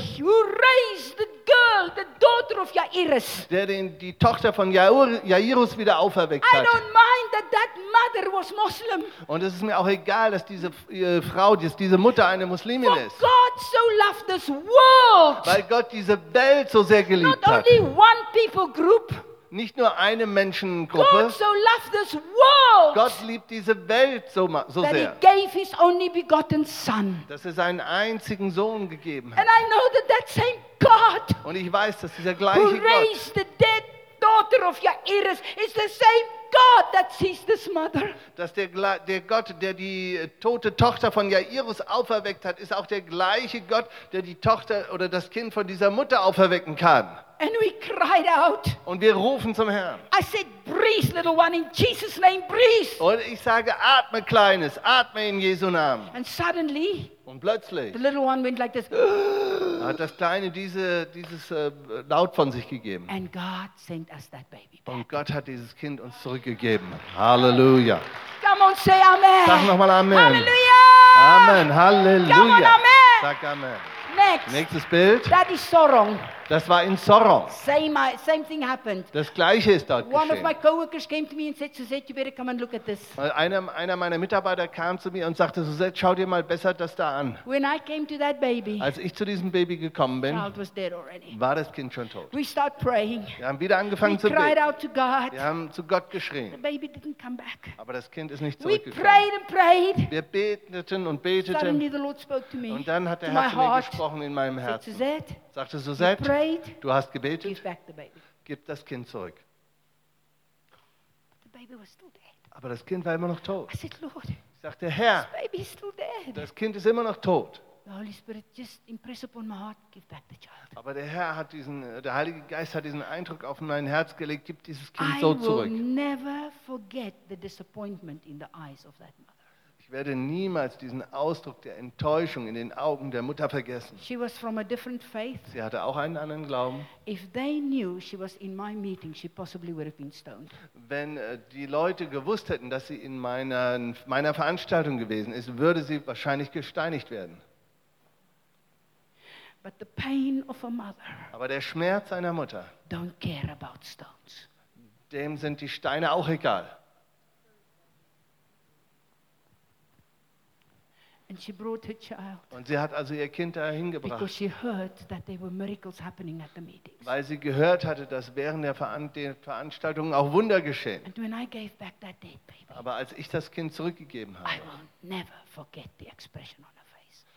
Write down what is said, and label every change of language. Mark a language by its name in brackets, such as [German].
[English] You raise the girl, the daughter of Jairus. [German] Der die Tochter von Jairus wieder auferweckt hat. [English] That mother was Muslim. [German] Und es ist mir auch egal, dass diese Frau, dass diese Mutter eine Muslimin ist. [English] For God so loved this world. [German] Weil Gott diese Welt so sehr geliebt [English] hat. Not only one people group. [German] Nicht nur eine Menschengruppe. [English] God so loved this world. [German] Gott liebt diese Welt so sehr. [English] That he gave his only begotten son. [German] Dass er seinen einzigen Sohn gegeben hat. [English] And I know that that same God. [German] Und ich weiß, dass dieser gleiche Gott. [English] Who raised the dead daughter of Jairus is the same God that sees this mother. [German] Dass der Gott, der die tote Tochter von Jairus auferweckt hat, ist auch der gleiche Gott, der die Tochter oder das Kind von dieser Mutter auferwecken kann. [English] And we cried out. [German] Und wir rufen zum Herrn. [English] I said, breathe, little one, in Jesus' name, breathe. [German] Und ich sage, atme, Kleines, atme in Jesu Namen. [English] And suddenly, [German] und plötzlich, [English] the little one went like this. [German] Hat das Kleine dieses laut von sich gegeben. [English] And God sent us that baby. [German] Und Gott hat dieses Kind uns zurückgegeben. Halleluja. [English] Come on, say amen. [German] Sag nochmal Amen. Halleluja. Amen. Halleluja. [English] Come on, amen. [German] Sag Amen. [English] Next. [German] Nächstes Bild. [English] That is Sorong. [German] Das war in Sorong. [English] Same thing happened. [German] Das Gleiche ist dort [English] One [German] geschehen. [English] One of my coworkers came to me and said, Suzette, you better come and look at this. [German] Einer meiner Mitarbeiter kam zu mir und sagte, Suzette, schau dir mal besser das da an. [English] When I came to that baby, [German] als ich zu diesem Baby gekommen bin, [English] child was dead already. [German] War das Kind schon tot. [English] We start praying. [German] Wir haben wieder angefangen [English] We [German] zu [English] cried [German] beten. [English] Out to God. [German] Wir haben zu Gott geschrien. [English] The baby didn't come back. [German] Aber das Kind ist nicht [English] We [German] zurückgekommen. [English] Prayed and prayed. [German] Wir beteten und beteten. [English] Suddenly the Lord spoke to me, [German] und dann hat der Herr zu mir gesprochen in meinem Herzen. [English] Suzette, [German] sagte Suzette, [English] prayed, [German] du hast gebetet, [English] give back the baby. [German] Gib das Kind zurück. [English] The baby was still dead. [German] Aber das Kind war immer noch tot. [English] I said, Lord, [German] sagte Herr, [English] this baby is still dead. [German] Das Kind ist immer noch tot. [English] The Holy Spirit just impressed upon my heart, give back the child. [German] Aber der Heilige Geist hat diesen Eindruck auf mein Herz gelegt, gib dieses Kind [English] I [German] so [English] will [German] zurück. [English] Never forget the disappointment in the eyes of that mother. [German] Ich werde niemals diesen Ausdruck der Enttäuschung in den Augen der Mutter vergessen. [English] She was from a different faith. [German] Sie hatte auch einen anderen Glauben. [English] If they knew she was in my meeting, she possibly would have been stoned. [German] Wenn die Leute gewusst hätten, dass sie in meiner Veranstaltung gewesen ist, würde sie wahrscheinlich gesteinigt werden. [English] But the pain of a mother. [German] Aber der Schmerz einer Mutter. [English] Don't care about stones. [German] Dem sind die Steine auch egal. [English] And she brought her child. [German] Und sie hat also ihr Kind dahin gebracht. [English] Because she heard that there were miracles happening at the meetings. [German] Weil sie gehört hatte, dass während der Veranstaltung auch Wunder geschehen. [English] And when I gave back that dead baby. [German] Aber als ich das Kind zurückgegeben habe. [English] I will never forget the expression on her face.